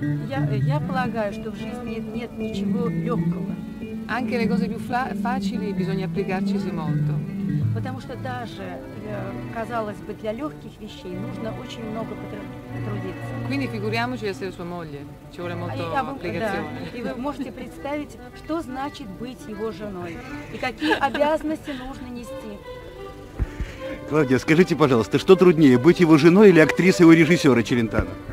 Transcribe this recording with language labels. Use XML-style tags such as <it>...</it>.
<ru>Я полагаю, что в жизни нет ничего легкого.</ru> <it>Anche le cose più facili bisogna applicarcisi molto.</it> <ru>Потому что даже, казалось бы, для легких вещей нужно очень много потрудиться.</ru> <it>Quindi figuriamoci essere sua moglie. Ci vuole molto applicazione.</it> <ru>И вы можете представить, что значит быть его женой. И какие обязанности нужно нести. Клавдия, скажите, пожалуйста, что труднее, быть его женой или актрисой у режиссера Челентано?</ru>